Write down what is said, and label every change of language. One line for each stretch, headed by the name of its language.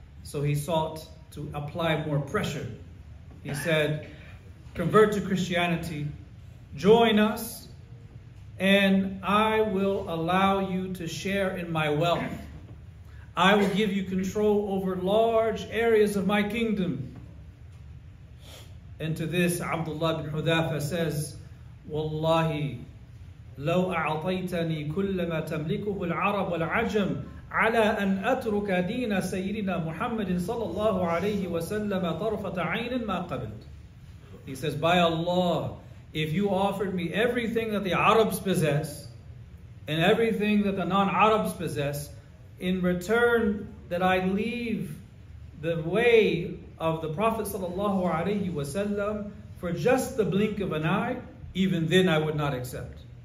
English: So he sought to apply more pressure. He said, convert to Christianity, join us, and I will allow you to share in my wealth. I will give you control over large areas of my kingdom. And to this, Abdullah bin Hudhafa says, Wallahi,
Arabic: لو أعطيتني كل ما تملكه العرب والعجم على أن أترك دين سيدنا محمد صلى الله عليه وسلم طرفة عين ما قبلت.
English: He says, by Allah, if you offered me everything that the Arabs possess and everything that the non-Arabs possess, in return that I leave the way of the Prophet sallallahu alayhi wa sallam for just the blink of an eye, even then I would not accept.